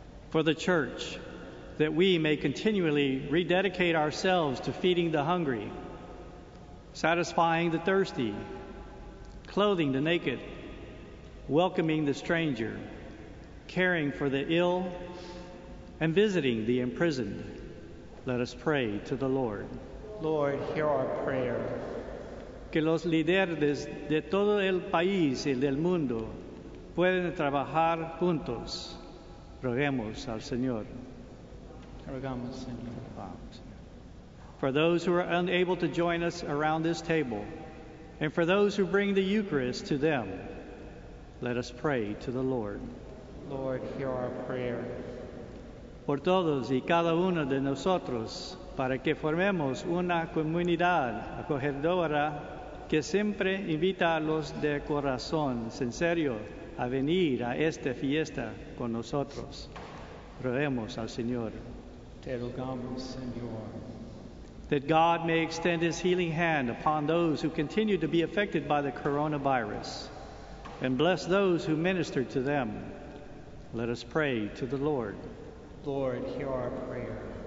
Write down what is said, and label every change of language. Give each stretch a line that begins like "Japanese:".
English: For the church, that we may continually rededicate ourselves to feeding the hungry, satisfying the thirsty, clothing the naked, welcoming the stranger, caring for the ill, and visiting the imprisoned, let us pray to the Lord. Lord, hear our prayer.
Spanish: Que los líderes de todo el país y del mundo puedan trabajar juntos. Roguemos al Señor. Roguemos, Señor.
English: For those who are unable to join us around this table, and for those who bring the Eucharist to them, let us pray to the Lord. Lord, hear our prayer.
Spanish: Por todos y cada uno de nosotros, para que formemos una comunidad acogedora que siempre invita a los de corazón sincero a venir a esta fiesta con nosotros. Roguemos al Señor. Te rogamos, Señor.
English: That God may extend his healing hand upon those who continue to be affected by the coronavirus and bless those who minister to them. Let us pray to the Lord. Lord, hear our prayer.